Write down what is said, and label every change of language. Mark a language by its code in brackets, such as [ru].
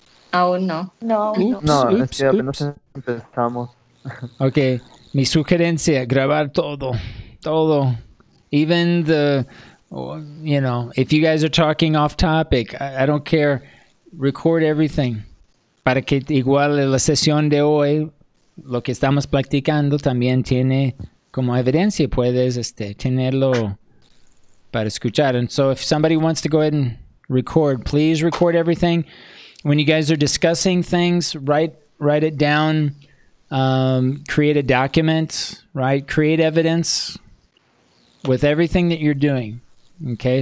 [es] No. Okay, mi sugerencia, grabar todo, todo. [en] Even the, you know, if you guys are talking off topic, I don't care, record everything. [es] Para que igual la sesión de hoy, lo que estamos practicando también tiene como evidencia, puedes tenerlo para escuchar. [en] And so if somebody wants to go ahead and record, please record everything. When you guys are discussing things, write it down, create a document, right? Create evidence with everything that you're doing, okay?